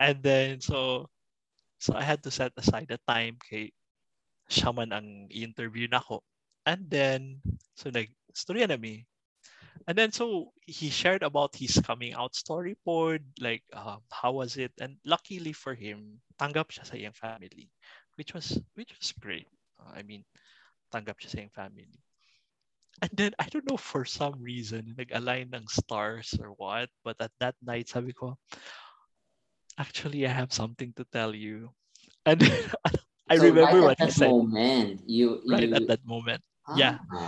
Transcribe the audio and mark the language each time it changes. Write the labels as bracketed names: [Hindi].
[English] And then so I had to set aside a time [Cebuano] kay siya man ang interview nako. [English] And then so [Cebuano] storya na mi. [English] And then so he shared about his coming out story board, like how was it, and luckily for him [Cebuano] tanggap siya sa iyang family, [English] which was great. I mean, [Cebuano] tanggap siya sa iyang family. [English] And then I don't know for some reason [Filipino] nag-align ng [English] stars or what, but at that night [Filipino] sabi ko, [English] actually, I have something to tell you. And I remember right what he said. Right at that moment. Uh-huh. Yeah.